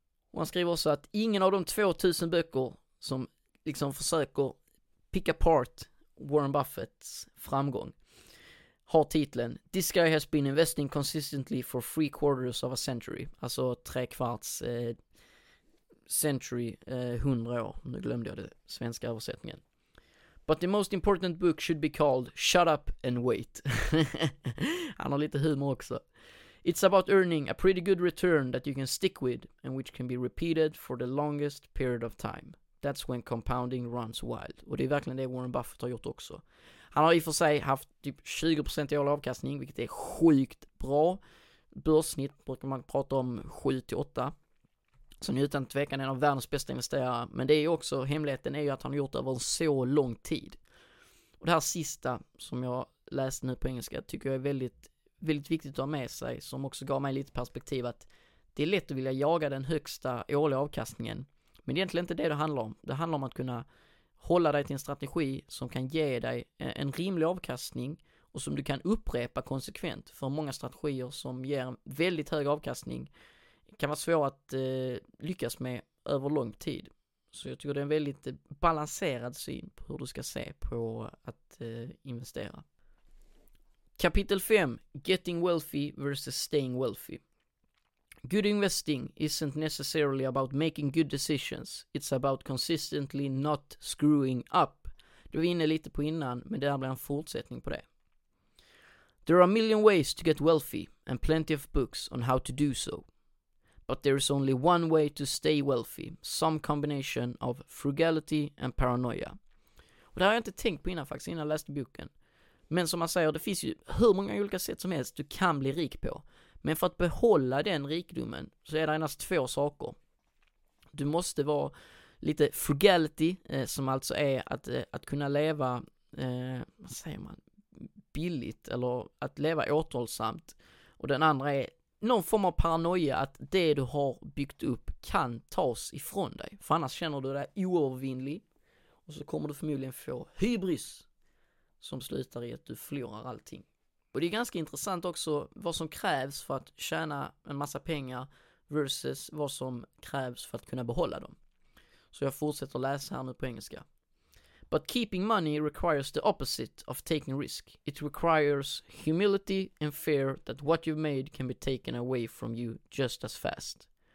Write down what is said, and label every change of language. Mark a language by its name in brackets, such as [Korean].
[Swedish] Och han skriver också att ingen av de 2000 böcker som liksom försöker [English] pick apart [Swedish] Warren Buffetts framgång har titeln [English] This guy has been investing consistently for 3/4 of a century. [Swedish] Alltså 3/4 century, 100 år. Nu glömde jag det svenska översättningen. [English] But the most important book should be called Shut Up and Wait. [Swedish] Han har lite humor också. [English] It's about earning a pretty good return that you can stick with and which can be repeated for the longest period of time. That's when compounding runs wild. [Swedish] Och det är verkligen det Warren Buffett har gjort också. Han har i och för sig haft typ 20% i årlig avkastning, vilket är sjukt bra. Börssnitt brukar man prata om 7-8. Så han är utan tvekan en av världens bästa investerare. Men det är ju också, hemligheten är ju att han har gjort det över en så lång tid. Och det här sista som jag läste nu på engelska tycker jag är väldigt, väldigt viktigt att ha med sig, som också gav mig lite perspektiv att det är lätt att vilja jaga den högsta årliga avkastningen. Men det är egentligen inte det handlar om. Det handlar om att kunna hålla dig till en strategi som kan ge dig en rimlig avkastning och som du kan upprepa konsekvent. För många strategier som ger väldigt hög avkastning kan vara svåra att lyckas med över lång tid. Så jag tycker det är en väldigt balanserad syn på hur du ska se på att investera. [English] Kapitel 5. Getting wealthy versus staying wealthy. Good investing isn't necessarily about making good decisions. It's about consistently not screwing up. [Swedish] Du var inne lite på innan, men det här blir en fortsättning på det. [English] There are a million ways to get wealthy and plenty of books on how to do so. But there is only one way to stay wealthy. Some combination of frugality and paranoia. [Swedish] Och det har jag inte tänkt på innan faktiskt, innan jag läste boken. Men som man säger, det finns ju hur många olika sätt som helst du kan bli rik på. Men för att behålla den rikedomen så är det endast 2 saker. Du måste vara lite frugality, som alltså är att kunna leva, vad säger man, billigt eller att leva återhållsamt. Och den andra är någon form av paranoia att det du har byggt upp kan tas ifrån dig. För annars känner du dig oövervinnlig och så kommer du förmodligen få hybris som slutar i att du förlorar allting. Och det är ganska intressant också vad som krävs för att tjäna en massa pengar versus vad som krävs för att kunna behålla dem. Så jag fortsätter läsa här nu på engelska. [English] But keeping money requires the opposite of taking risk. It requires humility and fear that what you've made can be taken away from you just as fast.